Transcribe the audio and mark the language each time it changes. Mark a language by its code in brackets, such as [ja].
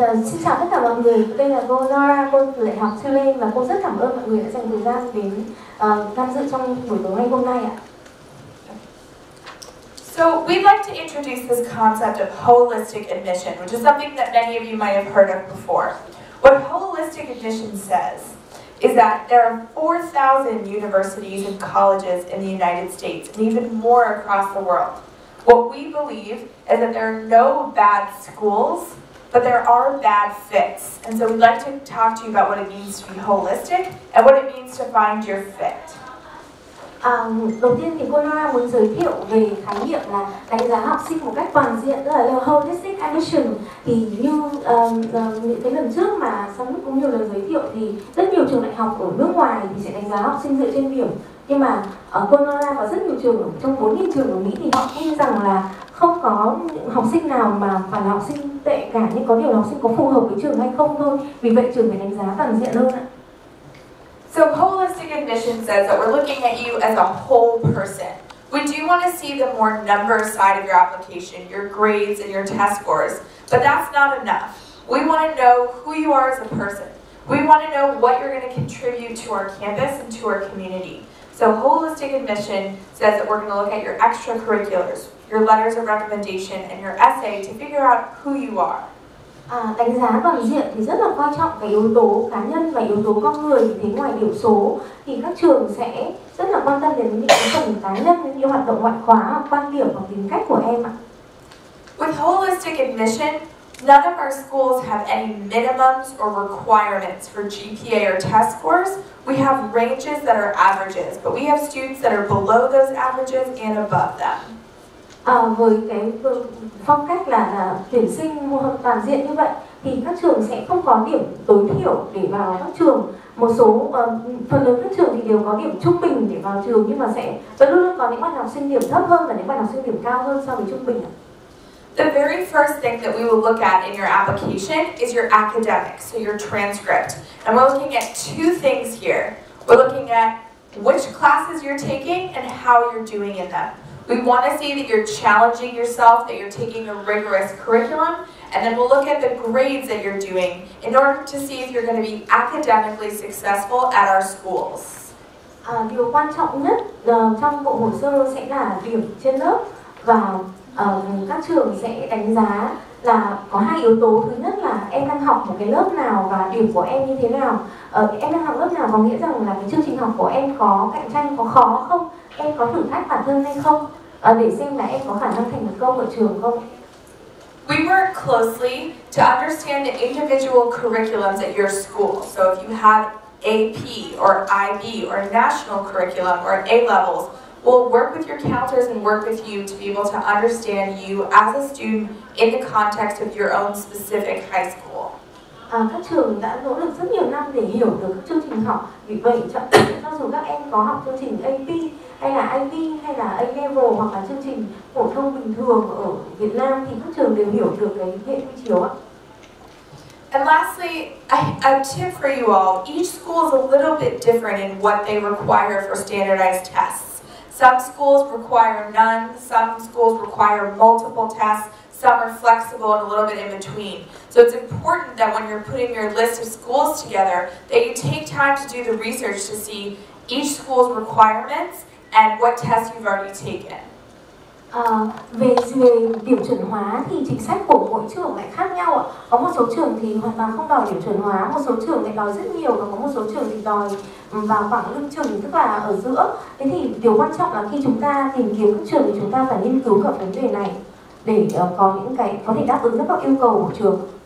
[vi] Xin chào tất cả mọi người. Đây là cô Nora, cô từ Đại học Tulane, và cô rất cảm ơn mọi người đã dành thời gian đến tham dự trong buổi tối ngày hôm nay ạ. [en] So we'd like to introduce this concept of holistic admission, which is something that many of you might have heard of before. What holistic admission says is that there are 4,000 universities and colleges in the United States, and even more across the world. What we believe is that there are no bad schools, but there are bad fits. And so we'd like to talk to you about what it means to be holistic and what it means to find your fit. [vi] Đầu tiên thì cô Nora muốn giới thiệu về khái niệm là đánh giá học sinh một cách toàn diện, tức là [en] holistic admission. [vi] Thì như những cái lần trước mà sau lúc cũng nhiều lần giới thiệu thì rất nhiều trường đại học ở nước ngoài thì sẽ đánh giá học sinh dựa trên điểm, nhưng mà cô Nora có rất nhiều trường, trong 4.000 trường ở Mỹ thì họ tin rằng là không có học sinh nào mà phải là học sinh tệ cả, nhưng có điều là học sinh có phù hợp với trường hay không thôi. Vì vậy trường phải đánh giá toàn diện hơn ạ. [en] So holistic admission says that we're looking at you as a whole person. We do want to see the more numbers side of your application, your grades and your test scores, but that's not enough. We want to know who you are as a person. We want to know what you're going to contribute to our campus and to our community. So holistic admission says that we're going to look at your extracurriculars, your letters of recommendation, and your essay to figure out who you are. [vi] Đánh giá toàn diện thì rất là quan trọng về yếu tố cá nhân và yếu tố con người. Thì ngoài điểm số thì các trường sẽ rất là quan tâm đến những phần cá nhân, những hoạt động ngoại khóa, quan điểm và tính cách của em ạ. [en] With holistic admission, none of our schools have any minimums or requirements for GPA or test scores. We have ranges that are averages, but we have students that are below those averages and above them. [vi] Với cái phong cách là tuyển sinh toàn diện như vậy thì các trường sẽ không có điểm tối thiểu để vào các trường. Một số phần lớn các trường thì đều có điểm trung bình để vào trường, nhưng mà sẽ vẫn luôn luôn có những bạn học sinh điểm thấp hơn và những bạn học sinh điểm cao hơn so với trung bình. [en] The very first thing that we will look at in your application is your academics, so your transcript. And we're looking at two things here. We're looking at which classes you're taking and how you're doing in them. We want to see that you're challenging yourself, that you're taking a rigorous curriculum, and then we'll look at the grades that you're doing in order to see if you're going to be academically successful at our schools. [vi] Điều quan trọng nhất trong bộ hồ sơ sẽ là điểm trên lớp, và các trường sẽ đánh giá là có hai yếu tố. Thứ nhất là em đang học một cái lớp nào và điểm của em như thế nào. Em đang học lớp nào có nghĩa rằng là cái chương trình học của em có cạnh tranh, có khó không? Em có thử thách bản thân hay không? Để xem là em có khả năng thành công ở trường không? [en] We work closely to understand the individual curriculums at your school. So if you have AP or IB or national curriculum or A levels, we'll work with your counselors and work with you to be able to understand you as a student in the context of your own specific high school. [vi] Các trường đã nỗ lực rất nhiều năm để hiểu được các chương trình học. Vì vậy, cho dù các em có học chương trình AP hay là IB hay là A level hoặc là chương trình phổ thông bình thường ở Việt Nam, thì các trường đều hiểu được cái hệ quy chiếu ạ. [en] And lastly, a tip for you all. Each school is a little bit different in what they require for standardized tests. Some schools require none, some schools require multiple tests, some are flexible and a little bit in between. So it's important that when you're putting your list of schools together, that you take time to do the research to see each school's requirements and what tests you've already taken. [vi] Về điểm chuẩn hóa thì chính sách của mỗi trường lại khác nhau ạ. Có một số trường thì hoàn toàn không đòi điểm chuẩn hóa, một số trường lại đòi rất nhiều, và có một số trường thì đòi vào khoảng lưng chừng, tức là ở giữa. Thế thì điều quan trọng là khi chúng ta tìm kiếm các trường thì chúng ta phải nghiên cứu cả vấn đề này để có những cái có thể đáp ứng được các yêu cầu của trường.